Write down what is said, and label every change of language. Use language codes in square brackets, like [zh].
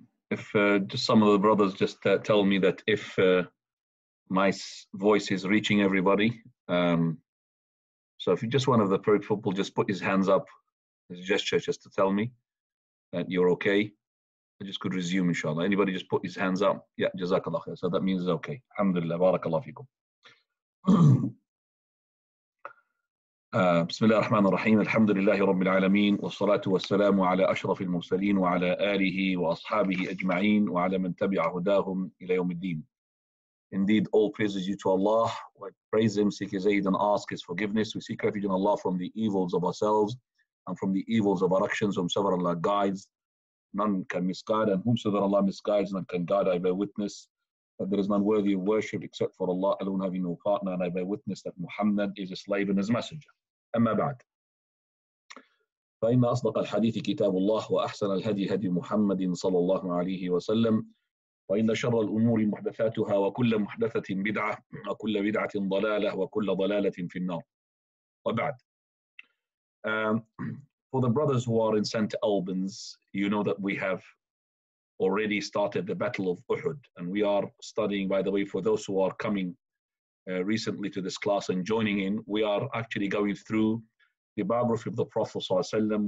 [en] If some of the brothers just tell me that if my voice is reaching everybody. So if you're just one of the pro football, just put his hands up as a gesture just to tell me that you're okay. I just could resume, inshallah. Anybody just put his hands up? Yeah, jazakallah khair. So that means it's okay. [ar] Alhamdulillah, barakallahu feekum. بسم الله الرحمن الرحيم الحمد لله رب العالمين والصلاة والسلام على أشرف المرسلين وعلى آله وأصحابه أجمعين وعلى من تبع هداهم إلى يوم الدين. [en] Indeed, all praises due to Allah. We praise Him, seek His aid, and ask His forgiveness. We seek refuge in Allah from the evils of ourselves and from the evils of our actions. Whomsoever Allah guides, none can misguide, and whomsoever Allah misguides, none can guide. I bear witness that there is none worthy of worship except for Allah alone, having no partner, and I bear witness that Muhammad is a slave and his messenger. [ar] Amma ba'd. فإن أصدق الحديث كتاب الله وأحسن الهدي هدي محمد صلى الله عليه وسلم وإن شر الأمور محدثاتها وكل محدثة بدعة وكل بدعة ضلالة وكل ضلالة في النار. وبعد. [en] For the brothers who are in St. Albans, you know that we have already started the Battle of Uhud, and we are studying, by the way, for those who are coming recently to this class and joining in, we are actually going through the biography of the Prophet ﷺ.